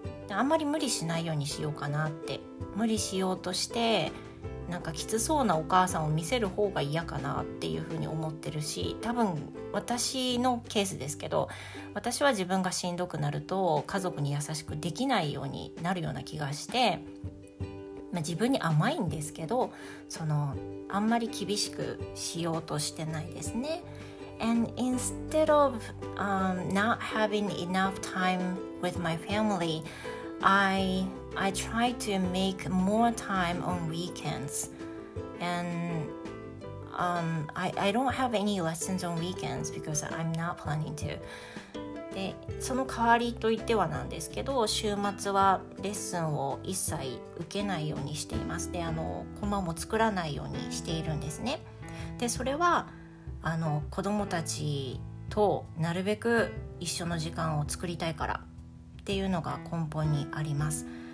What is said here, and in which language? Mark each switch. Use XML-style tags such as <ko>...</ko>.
<ja>あんまり無理しないようにしようかなって、無理しようとしてなんかきつそうなお母さんを見せる方が嫌かなっていうふうに思ってるし、多分私のケースですけど、私は自分がしんどくなると家族に優しくできないようになるような気がして、まあ、自分に甘いんですけど、そのあんまり厳しくしようとしてないですね。</ja> <en>And instead of not having enough time with my family, I try to make more time on weekends. And I don't have any lessons on weekends because I'm not planning to.</en> <ja>で、その代わりといってはなんですけど、週末はレッスンを一切受けないようにしています。で、あのコマも作らないようにしているんですね。で、それはあの子供たちとなるべく一緒の時間を作りたいからっていうのが根本にあります。</ja>